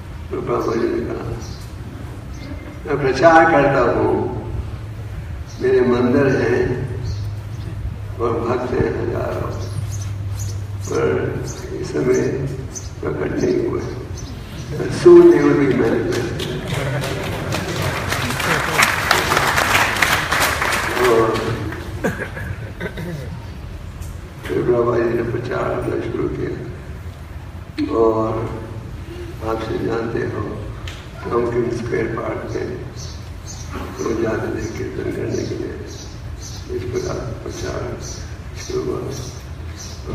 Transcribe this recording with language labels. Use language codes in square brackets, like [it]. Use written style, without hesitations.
[hi] तो प्रभात जी ने कहा, मैं प्रचार करता हूँ, मेरे मंदिर हैं और भक्त हैं हजारों, पर इस समय प्रकट नहीं हुए। [en] Soon they will be manifested. [hi] फिर बाबा जी ने प्रचार करना शुरू किया, और आप से जानते हो टॉमकिंस स्क्वायर पार्क में वो जाते थे कीर्तन करने के लिए। इस प्रकार प्रचार शुरू हुआ।